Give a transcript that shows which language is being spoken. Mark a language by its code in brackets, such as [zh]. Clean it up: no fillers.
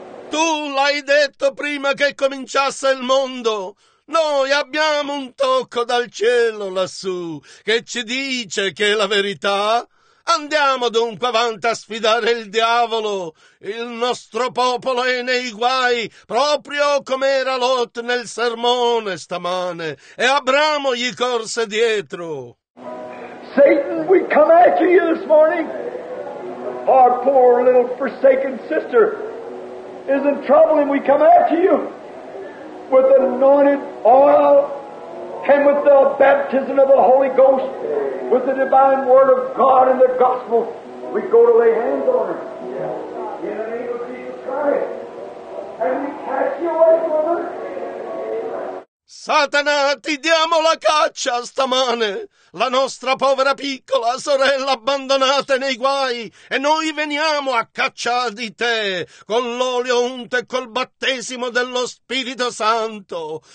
[it] Tu l'hai detto prima che cominciasse il mondo. Noi abbiamo un tocco dal cielo lassù che ci dice che è la verità. Andiamo dunque avanti a sfidare il diavolo. Il nostro popolo è nei guai, proprio come era Lot nel sermone stamane. E Abramo gli corse dietro. [en] Satan, we come after you this morning. Our poor little forsaken sister is in trouble and we come after you with anointed oil and with the baptism of the Holy Ghost, with the divine word of God and the gospel. We go to lay hands on her in the name of Jesus Christ and we catch you away from her. [it] Satana, ti diamo la caccia stamane. La nostra povera piccola sorella abbandonata nei guai e noi veniamo a caccia di te con l'olio unto e col battesimo dello Spirito Santo.